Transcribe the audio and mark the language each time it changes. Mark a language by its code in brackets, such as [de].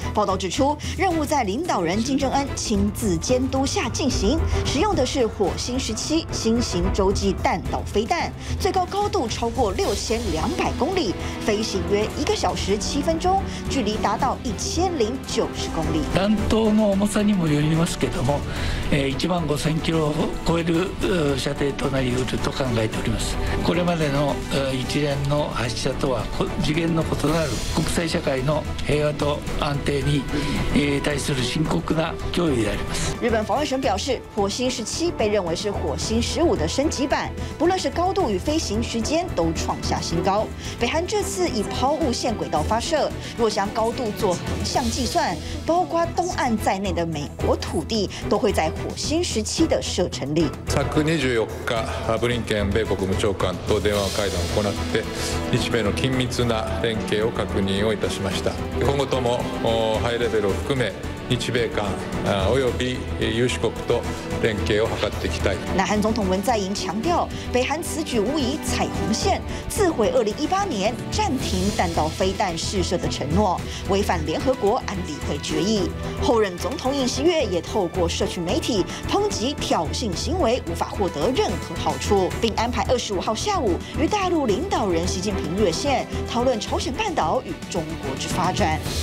[zh] 报道指出，任务在领导人金正恩亲自监督下进行，使用的是火星17新型洲际弹道飞弹，最高高度超过6200公里，飞行约1小时7分钟，距离达到1090公里。 [ja] 弾頭の重さにもよりますけども、15000キロを超える射程となりうると考えております。これまでの一連の発射とは次元の異なる国際社会の平和と安定に対する深刻な脅威であります。 [zh] 日本防衛省表示，火星17被认为是火星15的升级版，不论是高度与飞行时间都创下新高。北韩这次以抛物线轨道发射，若将高度做横向计算，包括东岸在内的美国土地都会在火星17的射程里。 [ja] 24日，ブリンケン米国務長官と電話会談を行って、日米の緊密な連携を確認をいたしました。今後ともハイレベルを含め。日米韓および有志国と連携を図っていきたい。 [zh] 南韓總統文在寅強調，北韓此舉無疑踩紅線，自毀2018年暫停彈道飛彈試射的承諾，違反聯合國安理會決議。後任總統尹錫悦也透過社群媒體抨擊挑釁行為無法獲得任何好處，並安排25号下午與大陸領導人習近平熱線，討論朝鮮半島與中國之發展。